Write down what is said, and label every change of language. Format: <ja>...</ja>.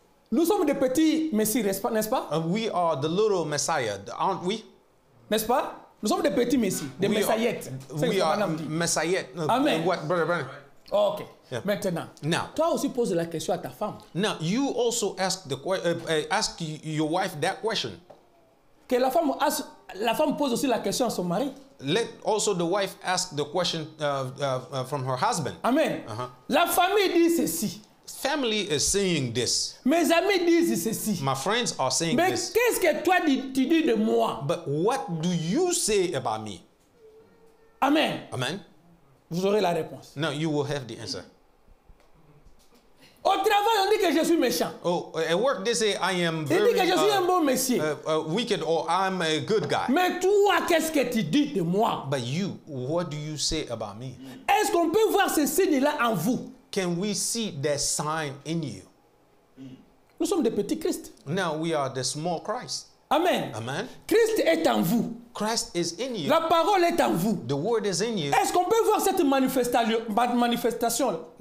<fr>Nous sommes des petits messieurs, n'est-ce pas?</fr> <en>We are the little messiah, aren't we?</en> <fr>N'est-ce pas? Nous sommes des petits messieurs, des messiahettes.</fr> <en>We are messiahettes.</en> <fr>Amen.</fr> <en>What, brother, brother? Okay. Yeah.</en> <fr>Maintenant.</fr> <en>Now.</en> <fr>Toi aussi pose la question à ta femme.</fr> <en>Now, you also ask your wife that question.</en> <fr>Que la femme pose aussi la question à son mari.</fr> <en>Let also the wife ask the question from her husband.</en> <fr>Amen. Uh-huh. La famille dit ceci.</fr> <en>Family is saying this.</en> <fr>Mes amis disent ceci.</fr> <en>My friends are saying</en> <fr>Mais</fr> <en>this.</en> <fr>Mais qu'est-ce que toi tu dis de moi?</fr> <en>But what do you say about me?</en> <fr>Amen.</fr> <en>Amen.</en> <fr>Vous aurez la réponse.</fr> <en>No, you will have the answer.</en> <fr>Au travail, on dit que je suis méchant.</fr> <en>Oh, at work, they say I am very.</en> <fr>Ils disent que je suis un bon monsieur.</fr> <en>Wicked, or I'm a good guy.</en> <fr>Mais toi, qu'est-ce que tu dis de moi?</fr> <en>But you, what do you say about me?</en> <fr>Est-ce qu'on peut voir ce signe-là en vous?</fr> <en>Can we see that sign in you?</en> <fr>Nous sommes des petits Christ.</fr> <en>Now we are the small Christ.</en> <fr>Amen.</fr> <en>Amen.</en> <fr>Christ est en vous.</fr> <en>Christ is in you.</en> <fr>La parole est en vous.</fr> <en>The word is in you.</en> <fr>Est-ce qu'on peut voir cette manifestation?</fr>